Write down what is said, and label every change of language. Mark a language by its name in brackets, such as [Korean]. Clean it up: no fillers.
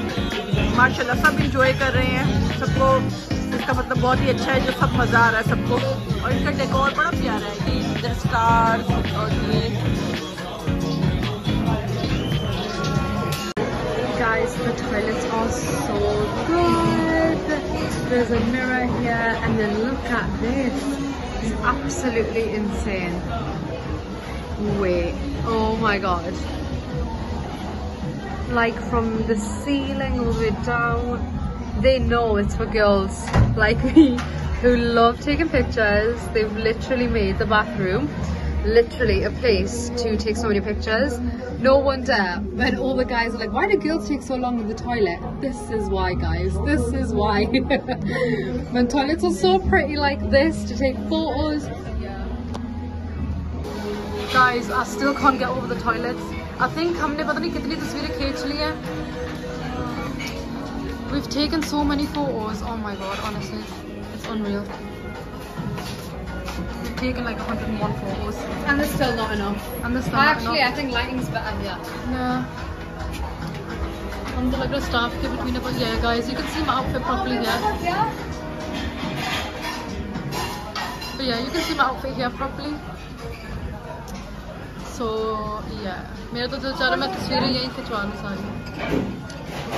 [Hindi] सब इंजॉय कर रहे हैं सबको, इसका मतलब बहुत ही अच्छा है जो सब मज़ा आ रहा है सबको, और इनका डेकोर बड़ा प्यारा है कि इधर स्टार्स और ये। [English] Guys, the toilets are so good. There's a mirror here and then look at this. It's absolutely insane. Wait, oh my god. Like from the ceiling all the way down, they know it's for girls like me who love taking pictures. They've literally made the bathroom literally a place to take so many pictures. No wonder when all the guys are like, why do girls take so long in the toilet? This is why, guys, this is why. When toilets are so pretty like this to take photos. Guys, I still can't get over the toilets. I think [Hindi] हमने पता नहीं कितनी तस्वीरें खींच ली हैं। [English] We've taken so many photos. Oh my god, honestly, it's unreal. We've taken like 101 photos. And there's still not enough. And there's still not enough. I think lighting's better here. Yeah. [Hindi] हम तो लग रहा staff के बीच में बस गए, guys. [English] You can see my outfit properly here. But yeah, you can see my outfit here properly. So yeah. [Hindi] मेरा तो दिल चाह रहा है मैं तस्वीरें यहीं खिंचवा लूँ सारी।